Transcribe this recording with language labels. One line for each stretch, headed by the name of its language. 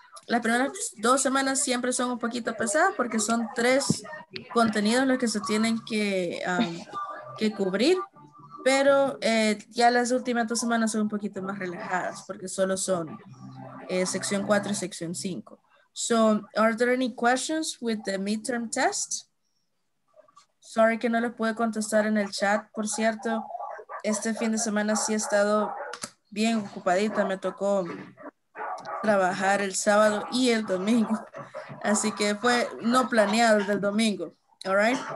Spanish: Las primeras 2 semanas siempre son un poquito pesadas porque son 3 contenidos los que se tienen que cubrir. Pero ya las últimas 2 semanas son un poquito más relajadas porque solo son sección 4 y sección 5.
English: So, are there any questions with the midterm test?
Spanish: Sorry que no les pude contestar en el chat, por cierto. Este fin de semana sí he estado bien ocupadita. Me tocó trabajar el sábado y el domingo. Así que fue no planeado del domingo. All right?